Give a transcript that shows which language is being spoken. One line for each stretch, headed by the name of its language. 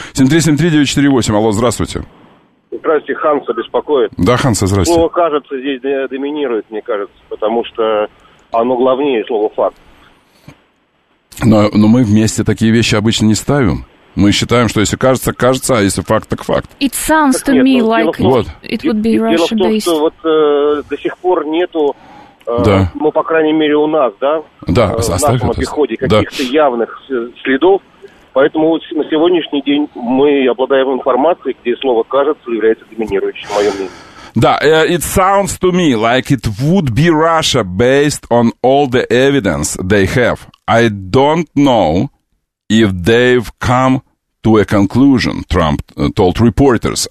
Russian: 7373948, алло, здравствуйте. Здравствуйте, Ханса беспокоит. Да, Ханса, здравствуйте. Слово «кажется» здесь доминирует, мне кажется, потому что... оно главнее слова «факт». Но мы вместе такие вещи обычно не ставим. Мы считаем, что если кажется, кажется, а если факт, так факт.
English: It sounds to me like it would be Russia-based.
Russian: Дело в том, что вот до сих пор нету, ну, по крайней мере, у нас, да? Да, в нашем обиходе каких-то явных следов. Поэтому на сегодняшний день мы обладаем информацией, где слово «кажется» является доминирующим, в моем мнении.
English: Да, it sounds to me like it would be Russia based on all the evidence they have. I don't know if they've come to a conclusion, Trump told reporters.